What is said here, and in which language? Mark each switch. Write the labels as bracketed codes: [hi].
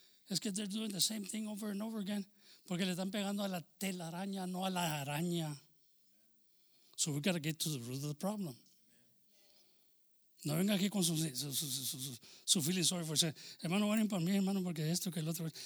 [es] Es que [en] they're doing the same thing over and over again. [es] Porque le están pegando a la telaraña, no a la araña. [en] So we got to get to the root of the problem. [es] No venga aquí con su filosofía. Hermano, oren por mí, hermano, porque esto que el otro.